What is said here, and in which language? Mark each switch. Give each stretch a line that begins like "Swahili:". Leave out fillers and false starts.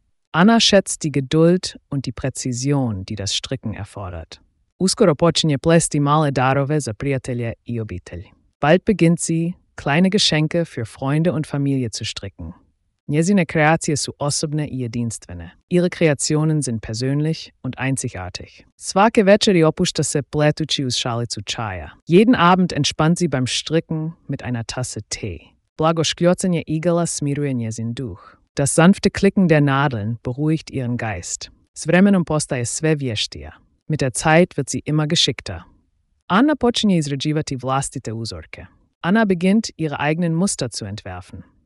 German: Anna schätzt die Geduld und die Präzision, die das Stricken erfordert.
Croatian: Uskoro počinje plesti male darove za prijatelje i obitelj.
German: Bald beginnt sie, kleine Geschenke für Freunde und Familie zu stricken.
Croatian: Njezine kreacije su osobne i jedinstvene.
German: Ihre Kreationen sind persönlich und einzigartig.
Croatian: Svake večeri opušta se pletući uz šalicu čaja.
German: Jeden Abend entspannt sie beim Stricken mit einer Tasse Tee.
Croatian: Blago škljocanje igala smiruje njezin duh.
German: Das sanfte Klicken der Nadeln beruhigt ihren Geist.
Croatian: S vremenom postaje sve vještija.
German: Mit der Zeit wird sie immer geschickter.
Croatian: Anna počinje izrađivati vlastite uzorke.
German: Anna beginnt, ihre eigenen Muster zu entwerfen.